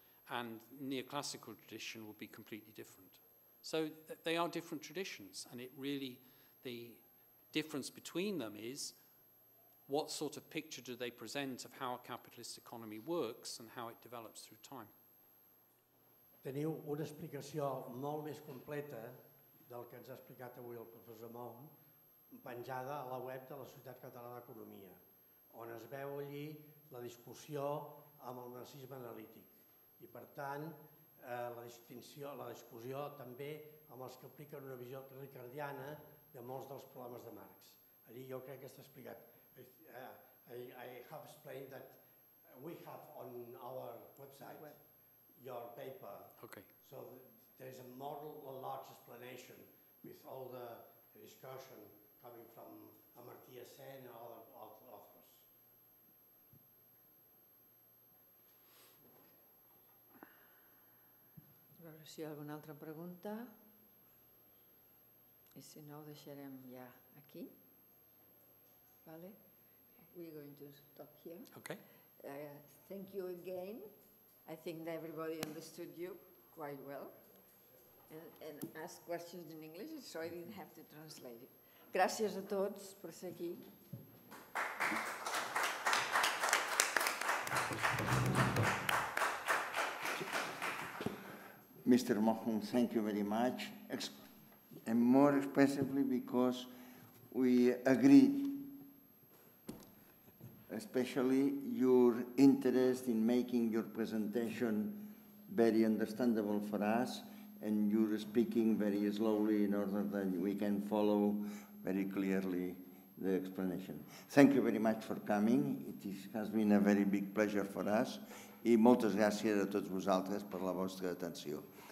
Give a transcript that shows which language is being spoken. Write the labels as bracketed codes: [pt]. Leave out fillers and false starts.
[en] And neoclassical tradition would be completely different. So they are different traditions, and it really, the difference between them is what sort of picture do they present of how a capitalist economy works and how it develops through time. [ca] Teniu una explicació molt més completa del que ens ha explicat avui el professor Mom, penjada a la web de la Societat Catalana d'Economia, on es veu allí la discussió amb el marxisme analític. I per tant, la distinció, la discussió també amb els que apliquen una visió ricardiana de molts dels problemes de Marx. Allí jo crec que està explicat. [en] I have explained that we have on our website your paper. Okay. So there's a model, a large explanation with all the discussion coming from Amartya Sen and other authors. [ca] A veure si hi ha alguna altra pregunta. I si no, ho deixarem ja aquí. Vale? [en] We're going to stop here. Okay. Thank you again. I think that everybody understood you quite well. And asked questions in English, so I didn't have to translate it. [ca] Gràcies a tots per ser aquí. [en] Mr. Mohun, thank you very much. And more expressively because we agree, especially your interest in making your presentation very understandable for us, and you're speaking very slowly in order that we can follow very clearly the explanation. Thank you very much for coming. It has been a very big pleasure for us. [ca] I moltes gràcies a tots vosaltres per la vostra atenció.